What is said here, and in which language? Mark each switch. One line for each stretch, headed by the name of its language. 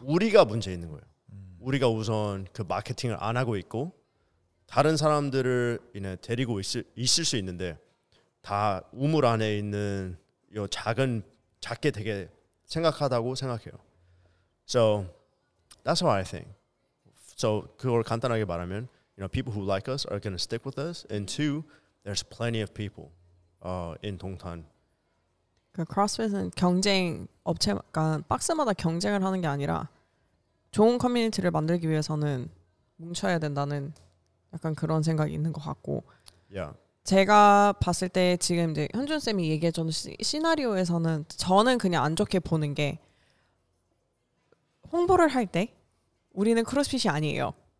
Korean: 우리가 문제 있는 거예요. 우리가 우선 그 마케팅을 안 하고 있고 다른 사람들을 이제 데리고 있을 수 있는데 다 우물 안에 있는 요 작게 되게 생각하다고 생각해요.
English: So that's what I think. So
Korean: 그걸 간단하게 말하면,
English: you know, people who like us are going to stick with us, and two, there's plenty of people in 동탄.
Korean: 그 크로스핏은 경쟁 업체가 박스마다 경쟁을 하는 게 아니라 좋은 커뮤니티를 만들기 위해서는 뭉쳐야 된다는 약간 그런 생각이 있는 것 같고.
English: Yeah.
Korean: 제가 봤을 때 지금 이제 현준 쌤이 얘기해준 시나리오에서는 저는 그냥 안 좋게 보는 게 홍보를 할 때 우리는 크로스핏이 아니에요.